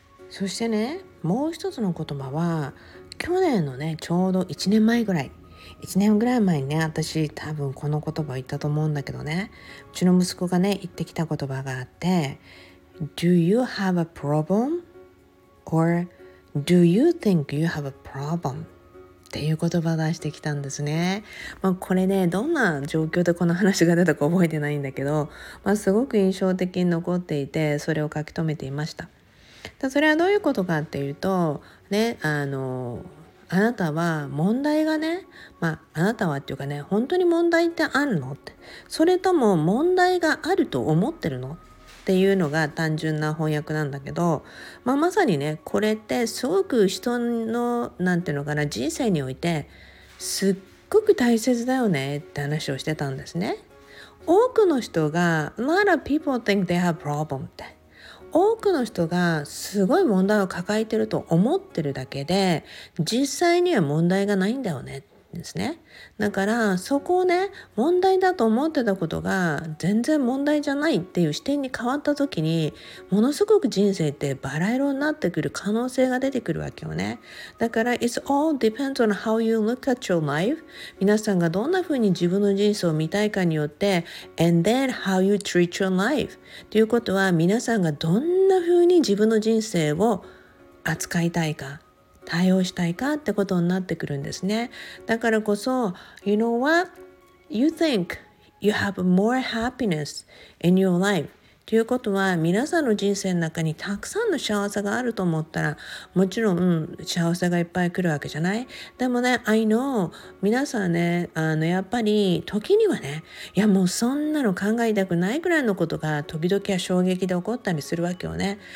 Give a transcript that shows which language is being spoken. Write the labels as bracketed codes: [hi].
[ja] そしてねもう一つの言葉は、去年のねちょうど1年ぐらい前にね私多分この言葉を言ったと思うんだけどね、うちの息子がね言ってきた言葉があって、 [en] Do you have a problem? Or do you think you have a problem? [ja] っていう言葉を出してきたんですね。まあ、これねどんな状況でこの話が出たか覚えてないんだけど、まあ、すごく印象的に残っていてそれを書き留めていました。それはどういうことかっていうと、ね、あなたは問題がね、まあ、あなたはっていうかね本当に問題ってあるの？って、それとも問題があると思ってるの？っていうのが単純な翻訳なんだけど、まあ、まさにねこれってすごく人のなんていうのかな人生においてすっごく大切だよねって話をしてたんですね。多くの人が [en] A lot of people think they have problem [ja] って、多くの人がすごい問題を抱えてると思ってるだけで実際には問題がないんだよねですね。だからそこをね問題だと思ってたことが全然問題じゃないっていう視点に変わった時にものすごく人生ってバラ色になってくる可能性が出てくるわけよね。だから [en] It's all depends on how you look at your life. [ja] 皆さんがどんな風に自分の人生を見たいかによって [en] And then how you treat your life [ja] ということは、皆さんがどんな風に自分の人生を扱いたいか対応したいかってことになってくるんですね。だからこそ [en] You know what? You think you have more happiness in your life [ja] ということは、皆さんの人生の中にたくさんの幸せがあると思ったら、もちろん、幸せがいっぱい来るわけじゃない。でもね [en] I know [ja] 皆さんね、やっぱり時にはね、いやもうそんなの考えたくないくらいのことが時々は衝撃で起こったりするわけよね。